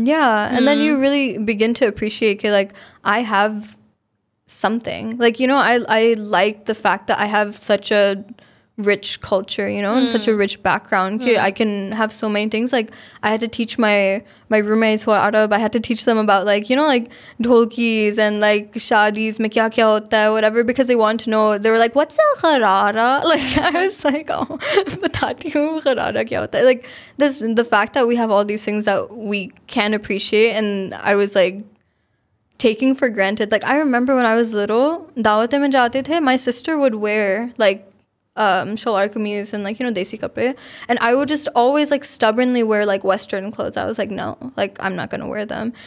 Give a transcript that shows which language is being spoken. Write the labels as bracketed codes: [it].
[en] And then you really begin to appreciate, okay, like I have something, like, you know, I like the fact that I have such a rich culture, you know, and such a rich background. I can have so many things. Like I had to teach my roommates who are Arab, I had to teach them about, like, you know, like ڈھولکیاں and like [ur] شادیوں میں کیا کیا ہوتا ہے, [en] whatever, because they want to know. They were like, what's a gharara? Like I was like, oh, [ur] بتاتی ہوں غرارہ کیا ہوتا ہے. [en] Like this, the fact that we have all these things that we can appreciate, and I was like taking for granted. Like I remember when I was little, [ur] daawat mein jaate the, [en] my sister would wear like shalwar kameez and like, you know, desi kapre, and I would just always like stubbornly wear like Western clothes. I was like, no, like I'm not gonna wear them.